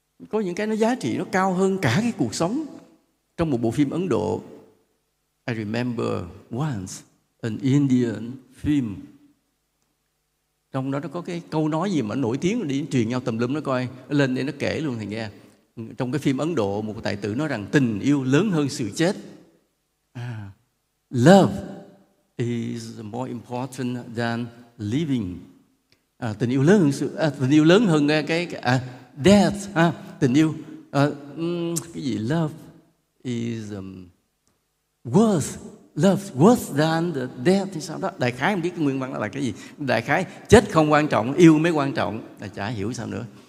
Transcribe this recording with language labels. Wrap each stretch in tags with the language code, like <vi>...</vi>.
<vi>Có những cái nó giá trị nó cao hơn cả cái cuộc sống. Trong một bộ phim Ấn Độ,</vi> <en>I remember once an Indian film,</en> <vi>trong đó nó có cái câu nói gì mà nổi tiếng, đi truyền nhau tùm lum, nó coi nó lên đây nó kể luôn thầy nghe. Trong cái phim Ấn Độ, một tài tử nói rằng tình yêu lớn hơn sự chết.</vi> <en>Love is more important than living.</en> <vi>Tình yêu lớn hơn sự, tình yêu lớn hơn cái death, tình yêu, cái gì,</vi> <en>love is worth love worth than the death</en> <vi>thì sao đó. Đại khái không biết cái nguyên văn đó là cái gì. Đại khái chết không quan trọng, yêu mới quan trọng. Là chả hiểu sao nữa.</vi>